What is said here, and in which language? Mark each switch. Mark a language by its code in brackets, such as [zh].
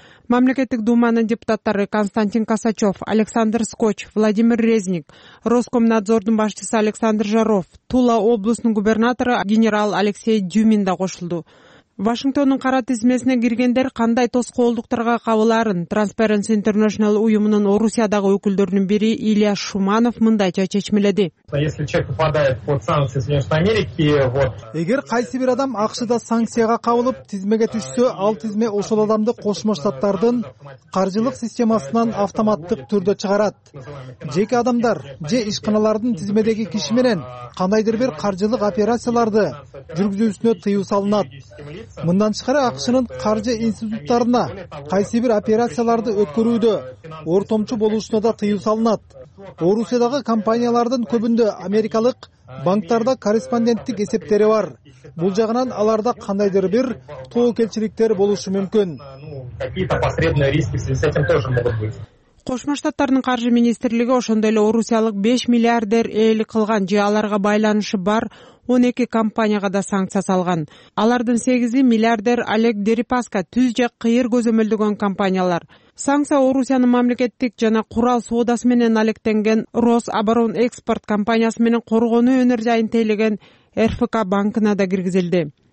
[ky] мамлекеттик думанын депутаттары Константин Касачев, Александр Скоч, Владимир Резник, Роскомнадзордун башчысы Александр Жаров, Тула облусунун губернатору генерал Алексей Дюмин да кошулду. Вашингтондун кара тизмесине киргендер кандай тоскоолдуктарга кабыларын Transparency International уюмунун Орусиядагы өкүлдөрүнүн бири Илья Шуманов мындайча чечмеледи. [ru] Если человек попадает под санкции Соединенных Америки, вот. [ky] Эгер кайсы бир адам АКШ-да санкцияга кабылып, тизмеге түшсө, ал тизме ошол адамды Кошмо Штаттардын каржылык системасынан автоматтык түрдө чыгарат. Жеке адамдар же ишканалардын тизмедеги киши менен кандайдыр бир каржылык операцияларды жүргүзүүсүнө тыюу салынат. Мындан тышкары АКШ-нын каржы институттарына кайсы бир операцияларды өткөрүүдө ортомчу болуусуна да тыюу салынат. Орусиядагы компаниялардын көбүндө америкалык банктарда корреспонденттик эсептери бар. Бул жагынан аларда кандайдыр бир тоокелчиликтер болушу мүмкүн. [ru] Какие-то посредные риски в связи с этим тоже могут быть. [ky] Кошмо Штаттардын каржы министрлиги ошондой эле орусиялык 5 миллиардер ээлик кылган же аларга байланышы бар 12 компанияга да санкция салган. Алардын 8-и миллиардер Олег Дерипаска түз же кыйыр көзөмөлдөгөн компаниялар. Санкция Орусиянын мамлекеттик жана курал соодасы менен алектенген Росаборон экспорт компаниясы менен коргонуу өнөр жайын тейлеген РФК банкына да киргизилди.